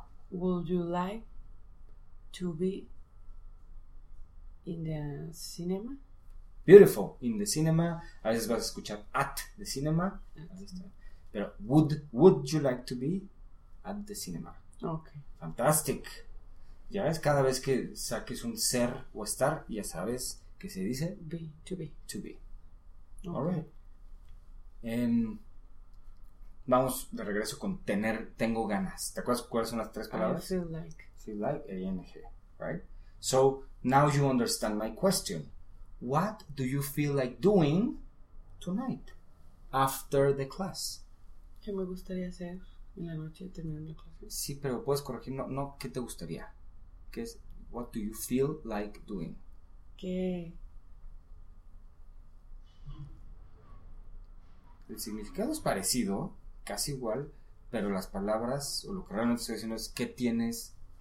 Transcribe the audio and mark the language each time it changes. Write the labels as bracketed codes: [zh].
[en] Would you like to be in the cinema? Beautiful, in the cinema. [es] A veces vas a escuchar [en] at the cinema. Pero would you like to be at the cinema? Ok. Fantastic. [es] Ya ves, cada vez que saques un ser o estar, ya sabes que se dice [en] be, to be. To be. Okay. All right. [es] Vamos de regreso con tener, tengo ganas. ¿Te acuerdas cuáles son las tres palabras? [en] I feel like. Feel like, A-N-G. Right? So, now you understand my question. What do you feel like doing tonight after the class? [es] ¿Qué me gustaría hacer en la noche terminando la clase? Sí, pero puedes corregir. No, ¿qué te gustaría? ¿Qué es? [en] What do you feel like doing? [es] ¿Qué? El significado es parecido, casi igual, pero las palabras, o lo que realmente estoy diciendo es ¿qué tienes